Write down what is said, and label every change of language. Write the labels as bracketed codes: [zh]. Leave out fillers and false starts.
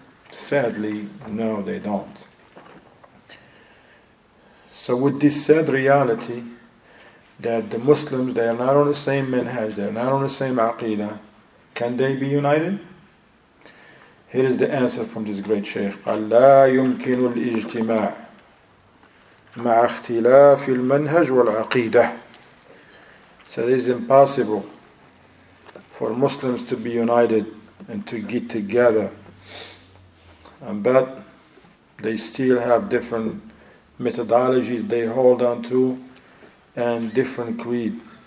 [en] Sadly, no, they don't. So with this sad reality that the Muslims, they are not on the same manhaj, they are not on the same aqidah, can they be united? Here is the answer from this great Shaykh. [ar] لا يمكن الاجتماع مع اختلاف المنهج والعقيدة. [en] So it is impossible for Muslims to be united and to get together. And but they still have different methodologies they hold on to and different creed.